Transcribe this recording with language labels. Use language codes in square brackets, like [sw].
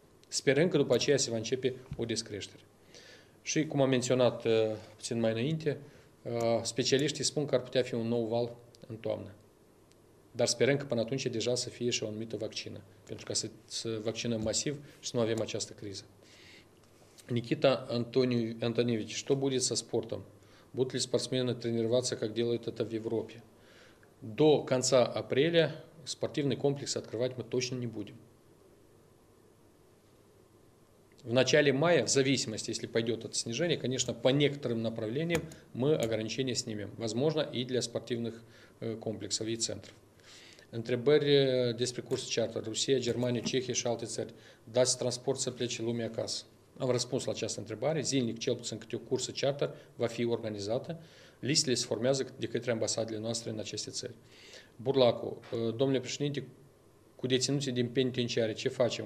[ro] Sperăm că după aceea se va începe o descreștere. Și cum am menționat puțin mai înainte, specialiștii spun că ar putea fi un nou val în toamnă. Dar sperăm că până atunci deja să fie și o anumită vaccină, pentru ca să vaccinăm masiv și să nu avem această criză. [ru] Никита Антоневич, что будет со спортом? Будут ли спортсмены тренироваться, как делают это в Европе? До конца апреля спортивный комплекс открывать мы точно не будем. В начале мая, в зависимости, если пойдет от снижения, конечно, по некоторым направлениям мы ограничения снимем. Возможно, и для спортивных комплексов и центров. [ro] Întrebări despre cursul charter. Rusia, Germania, Cehia și alte țări. Dați transport să plece lumea acasă. Am răspuns la această întrebare. Zilnic, cel puțin câte o cursă charter va fi organizată. Listele se formează de către ambasadele noastre în aceste țări. Burlacu, domnule președinte, cu deținuții din penitenciare, ce facem?